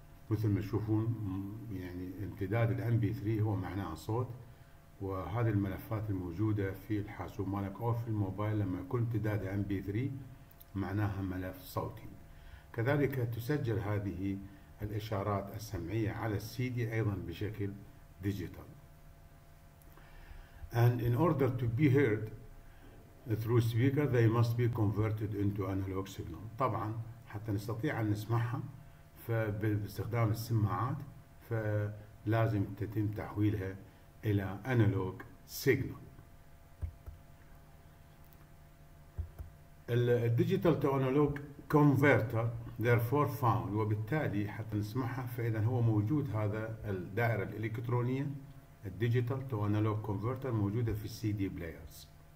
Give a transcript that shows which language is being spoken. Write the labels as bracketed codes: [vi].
[ar] مثل ما تشوفون، يعني امتداد الـ MP3 هو معناه صوت، وهذه الملفات الموجودة في الحاسوب مالك أو في الموبايل لما يكون امتداد MP3 معناها ملف صوتي. كذلك تسجل هذه الإشارات السمعية على CD أيضا بشكل ديجيتال. [en] And in order to be heard through speaker they must be converted into analog signal. [ar] طبعا حتى نستطيع أن نسمعها باستخدام السماعات فلازم تتم تحويلها إلى [en] analog signal. [ar] الـ [en] digital to analog converter therefore found، [ar] وبالتالي حتى نسمعها فإذا هو موجود، هذا الدائرة الإلكترونية الـ [en] digital to analog converter [ar] موجودة في CD players،